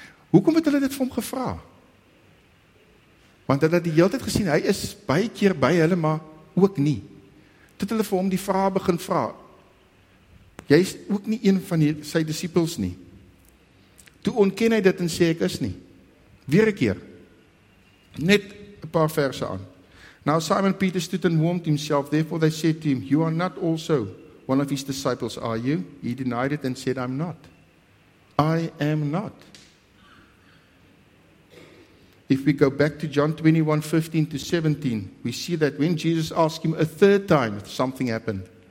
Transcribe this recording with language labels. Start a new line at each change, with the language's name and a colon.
Afrikaans: Hoekom het hulle dit vir hom gevra? Want hulle het die hele tijd gesien, hy is baie keer by hulle, maar ook nie. Tot hulle vir hom die vraag begin vraag, jy is ook nie een van sy disciples nie. Toe ontken hy dit en sê ek is nie. Weer een keer, net een paar verse aan.
English: Now Simon Peter stood and warmed himself, therefore they said to him, you are not also one of his disciples, are you? He denied it and said, I'm not. I am not. If we go back to John 21, 15 to 17, we see that when Jesus asked him a third time, something happened.